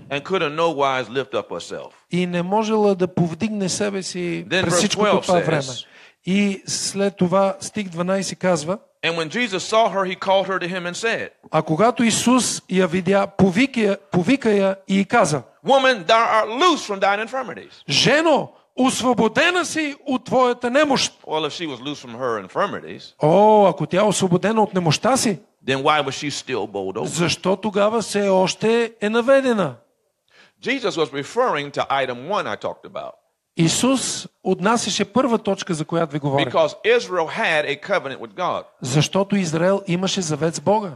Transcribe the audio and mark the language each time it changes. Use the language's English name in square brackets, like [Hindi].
[English] And couldn't no wise lift up herself. [Bulgarian] И не можела да повдигне себе си през всичко това време. И след това стих 12 казва: [English] And when Jesus saw her, he called her to him and said, [Bulgarian] а когато Исус я видя, повика я и каза: [English] Woman, thou art loose from thine infirmities. [Bulgarian] Жено, освободена си от твоята немощ. [English] Well, if she was loose from her infirmities, [Bulgarian] ако тя е освободена от немощта си, [English] then why was she still bowed over? [Bulgarian] Защо тогава се още е наведена? [English] Jesus was referring to item 1 I talked about. [Bulgarian] Исус отнасяше първа точка, за която ви говорим. [English] Because Israel had a covenant with God. [Bulgarian] Защото Израел имаше завет с Бога.